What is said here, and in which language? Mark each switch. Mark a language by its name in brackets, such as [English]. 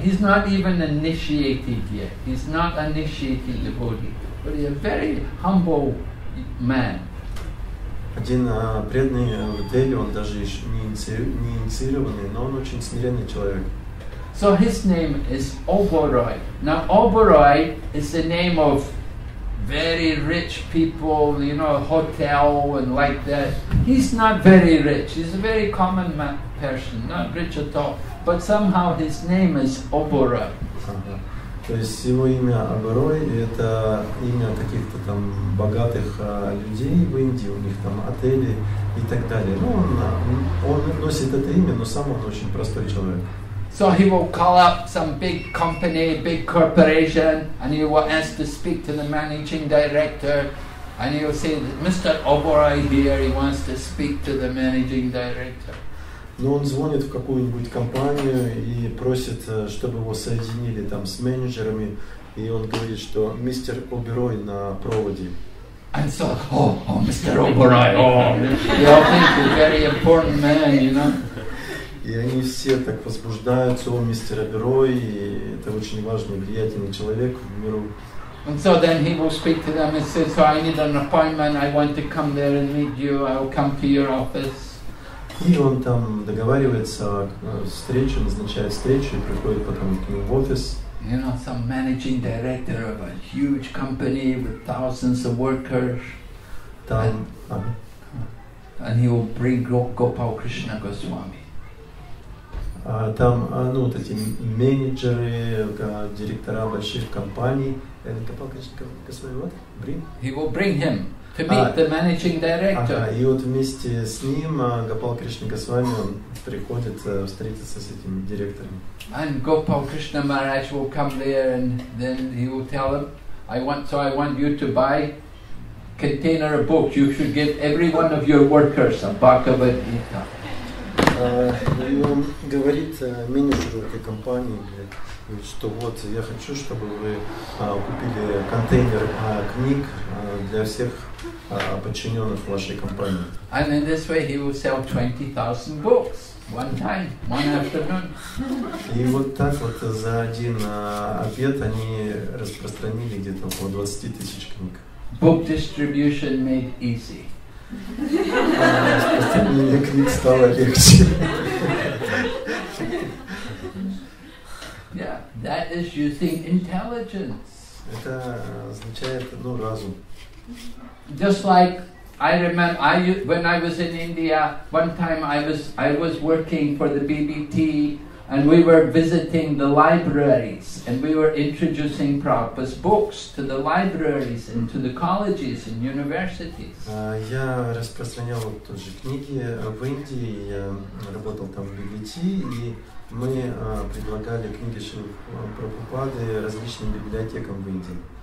[English] He's not even initiated yet. He's not initiated devotee. But he's a very humble man. [Russian] Один преданный в Дели, он даже еще не инициированный, но он очень смиренный человек. [English] So his name is Oberoi. Now Oberoi is the name of very rich people, you know, a hotel and like that. He's not very rich. He's a very common person, not rich at all. But somehow his name is Oberoi. [Russian] То есть его имя Оберой, это имя каких-то там богатых людей в Индии, у них там отели и так далее. Ну, он носит это имя, но сам он очень простой человек. [English] So he will call up some big company, big corporation, and he will ask to speak to the managing director, and he will say, Mr. Oberoi here, he wants to speak to the managing director. [Russian] Но он звонит в какую-нибудь компанию и просит, чтобы его соединили там с менеджерами, и он говорит, что мистер Оберой на проводе. [English] And so, oh, oh, Mr. Oberoi, oh, you all think he's a very important man, you know? [Russian] И они все так возбуждаются, о, мистер Оберой, и это очень важный, влиятельный человек в миру. [English] And so then he will speak to them and say, so I need an appointment, I want to come there and meet you, I'll come to your office. [Russian] И он там договаривается встречу, назначает встречу и приходит потом к нему в офис. [English] You know, some managing director of a huge company with thousands of workers. [Russian] Там, [English] and he will bring Gopal Krishna Goswami. [Russian] Там, ну, вот эти менеджеры, директора больших компаний. [English] And Gopal Krishna Goswami what? Bring? He will bring him. To meet the managing director. [Russian] И вот вместе с ним Гопал Кришна Госвами приходит встретиться с этим директором. [English] And Gopal Krishna Maharaj will come there and then he will tell him, I want you to buy container of books. You should give every one of your workers a Bhagavad Gita. [Russian] И он говорит менеджеру этой компании, говорит, что вот я хочу, чтобы вы купили контейнер книг для всех подчиненных вашей компании. [English] And in this way he will sell 20,000 books one time, one afternoon. [Russian] И вот так вот за один обед они распространили где-то около 20 тысяч книг. [English] Book distribution made easy. [Russian] Мне книг стало легче. [English] Yeah, that is using intelligence. [Russian] Это означает, ну, разум. [English] Just like I remember, when I was in India, one time I was working for the BBT, and we were visiting the libraries, and we were introducing Prabhupada's books to the libraries and to the colleges and universities. [Russian] Я распространял тоже книги в Индии, я работал там в BBT, и мы предлагали книги Прабхупады различным библиотекам в Индии.